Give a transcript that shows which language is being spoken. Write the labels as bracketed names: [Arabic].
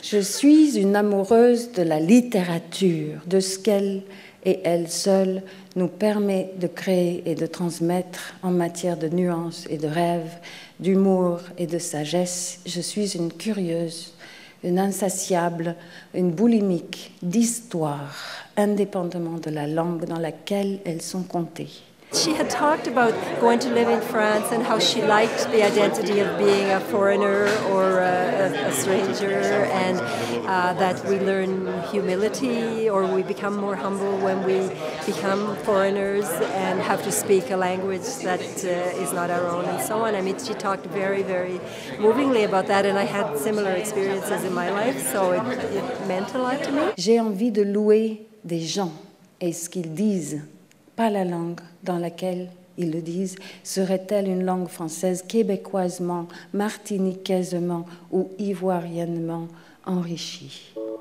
[French] Je suis une amoureuse de la littérature, de ce qu'elle et elle seule nous permet de créer et de transmettre en matière de nuances et de rêves, d'humour et de sagesse. Je suis une curieuse, une insatiable, une boulimique d'histoire, indépendamment de la langue dans laquelle elles sont comptées. [English] She had talked about going to live in France and how she liked the identity of being a foreigner or a stranger, and that we learn humility or we become more humble when we become foreigners and have to speak a language that is not our own and so on. I mean, she talked very, very movingly about that, and I had similar experiences in my life, so it meant a lot to me. [French] J'ai envie de louer des gens et ce qu'ils disent. Pas la langue dans laquelle ils le disent, serait-elle une langue française québécoisement, martiniquaisement ou ivoiriennement enrichie?